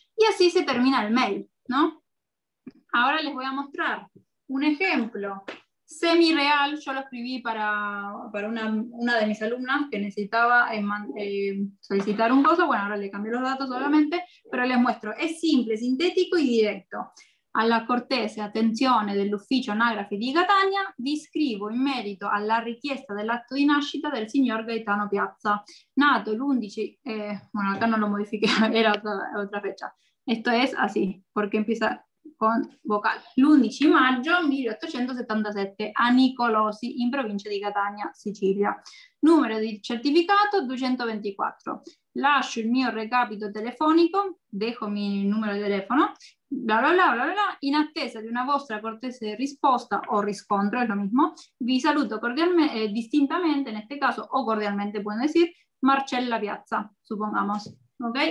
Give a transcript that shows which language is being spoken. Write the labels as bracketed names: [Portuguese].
[Spanish] Y así se termina el mail, ¿no? Ahora les voy a mostrar un ejemplo semi-real. Yo lo escribí para una de mis alumnas que necesitaba solicitar un coso. Bueno, ahora le cambié los datos solamente, pero les muestro. Es simple, sintético y directo. [Italian] A la cortese attenzione dell'ufficio anagrafi di Catania, vi scrivo in merito alla richiesta dell'atto di nascita del signor Gaetano Piazza, nato l'11, [Spanish] bueno, acá non lo modifiqué, era otra fecha. Esto es así, porque empieza con vocal. [Italian] L'11 maggio 1877 a Nicolosi, in provincia di Catania, Sicilia. Numero di certificato 224. Lascio il mio recapito telefonico, [Spanish] dejo mi numero di telefono, [Italian] bla bla bla bla bla, in attesa di una vostra cortese risposta o riscontro, è lo mismo, vi saluto cordialmente, distintamente, in questo caso, o cordialmente, puoi dire, Marcella Piazza, supponiamo. Ok?